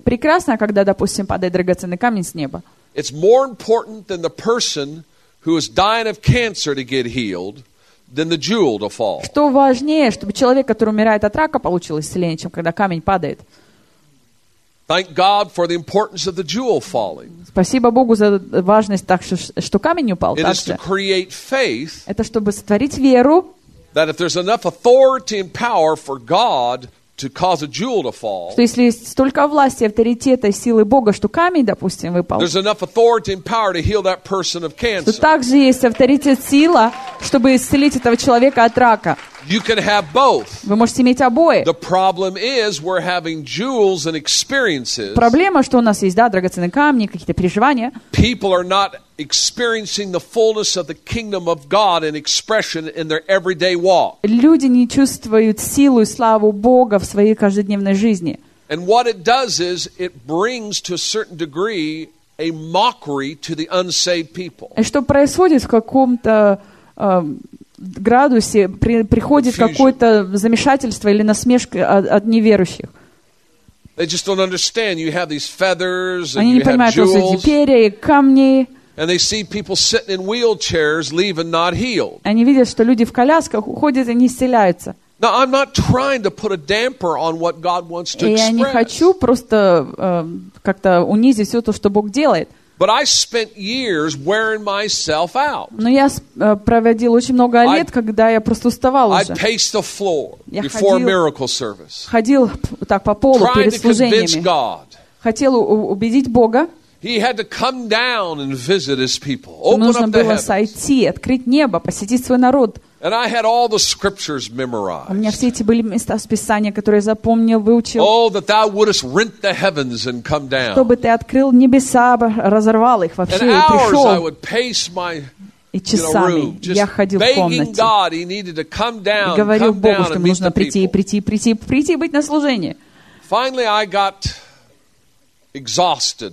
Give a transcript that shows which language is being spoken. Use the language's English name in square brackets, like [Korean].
[Russian] Прекрасно, когда, допустим, падает драгоценный камень с неба. [English] It's more important than the person who is dying of cancer to get healed than the jewel to fall. [Russian] Что важнее, чтобы человек, который умирает от рака, получил исцеление, чем когда камень падает? [English] Thank God for the importance of the jewel falling. [Russian] Спасибо Богу за важность так, что камень упал. [English] It is to create faith. [Russian] Это чтобы сотворить веру. [English] That if there's enough authority and power for God to cause a jewel to fall. [Russian] Что если есть столько власти, авторитета, силы Бога, что камень, допустим, выпал. [English] There's enough authority and power to heal that person of cancer. [Russian] Что также есть авторитет, сила, чтобы исцелить этого человека от рака. [English] You can have both. [Russian] Вы можете иметь обои. [English] The problem is we're having jewels and experiences. [Russian] Проблема, что у нас есть, да, драгоценные камни, какие-то переживания. [English] People are not experiencing the fullness of the kingdom of God in expression in their everyday walk. [Russian] Люди не чувствуют силу и славу Бога в своей каждодневной жизни. [English] And what it does is it brings to a certain degree a mockery to the unsaved people. [Russian] И что происходит в каком-то градусе приходит какое-то замешательство или насмешка от неверующих. [English] They just don't understand. You have these feathers, [Russian] они не понимают, что эти перья и камни. [English] And they see people sitting in wheelchairs, leaving not healed. [Russian] Они видят, что люди в колясках уходят и не исцеляются. [English] Now I'm not trying to put a damper on what God wants to express. [Russian] Я не хочу просто как-то унизить все то, что Бог делает. [English] But I spent years wearing myself out. [Russian] Но я проводил очень много лет, когда я просто уставал уже. [English] I'd pace the floor before a miracle service. [Russian] Ходил так по полу перед служениями. [English] Trying to convince God. [Russian] Хотел убедить Бога. [English] He had to come down and visit his people. [Russian] Нужно было сойти, открыть небо, посетить свой народ. [English] And I had all the scriptures memorized. [Russian] У меня все эти были места из Писания, которые я запомнил, выучил. [English] Oh, that thou wouldest rent the heavens and come down. [Russian] Чтобы ты открыл небеса, разорвал их вообще и пришел. [English] I would pace my, [Russian] и часами я ходил в комнате. И говорил Богу, что нужно прийти, прийти, прийти, прийти и быть на служении. [English] Finally, I got exhausted